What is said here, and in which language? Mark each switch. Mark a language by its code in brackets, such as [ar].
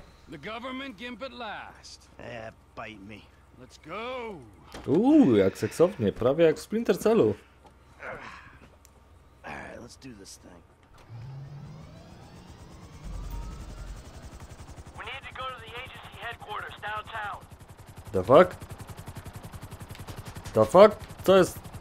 [en] The government gimp at last. Bite me. Let's go. [pl] Jak seksownie, prawie jak w Splinter Cellu. [en] Alright, let's do this thing. We need to go to the agency headquarters downtown. The fuck? The fuck? [pl] Co jest?